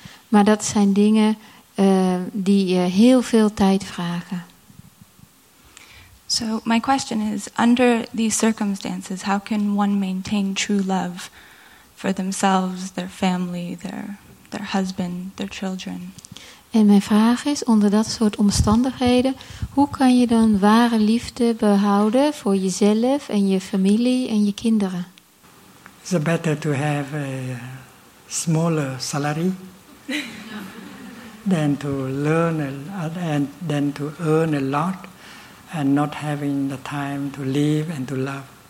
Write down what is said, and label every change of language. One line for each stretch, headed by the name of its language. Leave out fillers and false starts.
Dutch: Maar dat zijn dingen die heel veel tijd vragen.
English: So my question is, under these circumstances, how can one maintain true love for themselves, their family, their husband, their children?
Dutch: En mijn vraag is, onder dat soort omstandigheden, hoe kan je dan ware liefde behouden voor jezelf en je familie en je kinderen?
English: Is it better to have a smaller salary than to learn and than to earn a lot and not having the time to live and to love?